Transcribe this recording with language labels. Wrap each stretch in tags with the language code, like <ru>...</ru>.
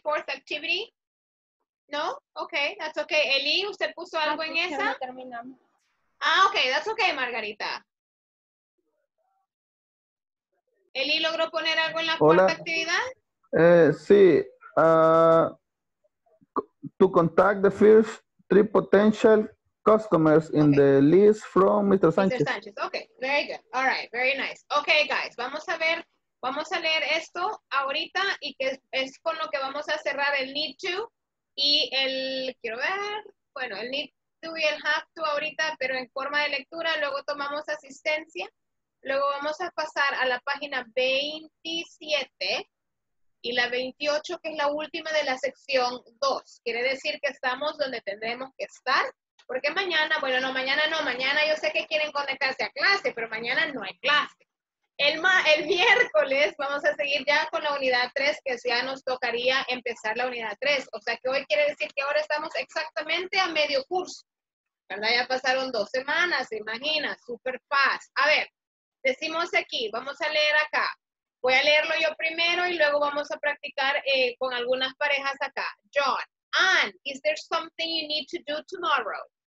<en>Fourth activity? No? Okay, that's okay.</en> <es>Eli, ¿usted puso algo en esa? Terminamos.</es> <en>Ah, okay, that's okay, Margarita.</en> <es>Eli, ¿logró poner algo en la cuarta actividad? Sí.</es> <en>To contact the first three potential customers in okay. The list from Mr. Sanchez. Mr. Sanchez, okay, very good. All right, very nice. Okay, guys,</en> <es>vamos a ver, vamos a leer esto ahorita y que es con lo que vamos a cerrar el need to y el, quiero ver, bueno, el need to y el have to ahorita, pero en forma de lectura, luego tomamos asistencia, luego vamos a pasar a la página 27 y la 28, que es la última de la sección 2. Quiere decir que estamos donde tendremos que estar. Porque mañana, bueno, no, mañana no, mañana yo sé que quieren conectarse a clase, pero mañana no hay clase. El miércoles vamos a seguir ya con la unidad 3, que ya nos tocaría empezar la unidad 3. O sea que hoy quiere decir que ahora estamos exactamente a medio curso, ¿verdad? Ya pasaron 2 semanas, se imagina, súper fast. A ver, decimos aquí, vamos a leer acá. Voy a leerlo yo primero y luego vamos a practicar con algunas parejas acá. John,</es> <en>Anne, is there something you need to do tomorrow?</en>